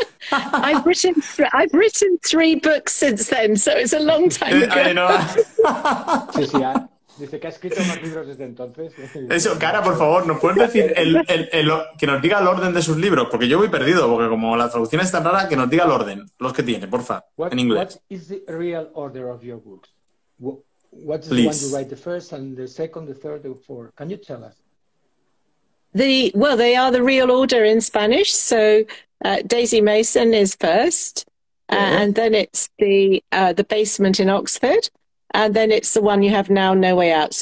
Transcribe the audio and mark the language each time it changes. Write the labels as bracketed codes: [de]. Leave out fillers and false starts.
[en] I've written three books since then, so it's a long time ago. I know. [es] Sí, sí, dice que ha escrito más libros desde entonces. Eso, Cara, por favor, ¿nos puedes decir el que nos diga el orden de sus libros? Porque yo voy perdido, porque como la traducción es tan rara, que nos diga el orden, los que tiene, porfa, en inglés. [en] What is the real order of your books? What is Please. The one you write the first and the second, the third, the fourth? Can you tell us? They are the real order in Spanish, so... Daisy Mason is first, yeah. And then it's the basement in Oxford, and then it's the one you have now, No Way Out.